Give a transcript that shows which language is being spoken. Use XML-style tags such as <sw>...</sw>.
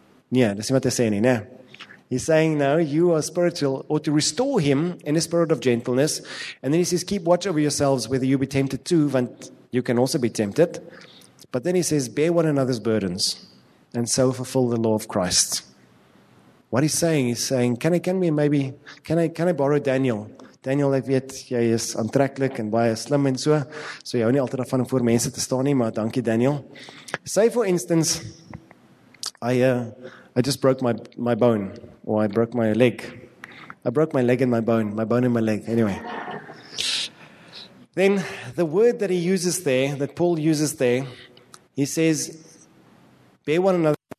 <en>Yeah, that's what they're saying, yeah. He's saying, no, you are spiritual, or to restore him in a spirit of gentleness. And then he says, keep watch over yourselves, whether you be tempted too, but you can also be tempted. But then he says, bear one another's burdens, and so fulfill the law of Christ. What he's saying, can I borrow Daniel?</en> <af>Daniel, ek weet, jy is aantreklik en baie slim en so. So jy hou nie altyd af van om voor mense te staan nie, maar dankie Daniel.</af> <en>Say for instance, I just broke my bone, or I broke my leg. I broke my leg and my bone and my leg, anyway. Then the word that he uses there, that Paul uses there, he says, bear one another.</en>